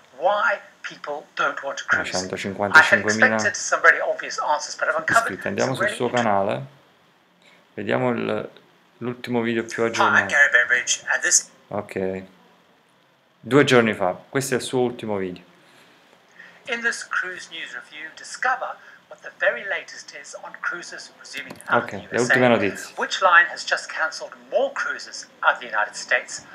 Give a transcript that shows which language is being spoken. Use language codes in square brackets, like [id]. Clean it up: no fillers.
[en] Why people don't want to cruise. 155.000. I expected some very obvious answers, but I've uncovered. [it] Andiamo sul suo canale. Vediamo l'ultimo video più aggiornato. [en] Hi, I'm Gary Bainbridge, and this... Ok. [it] 2 giorni fa, questo è il suo ultimo video. [en] In this cruise news review, discover what the very latest is on cruises resuming out of the USA. [it] Le ultime notizie. [en] Which line has just cancelled more cruises out of the United States?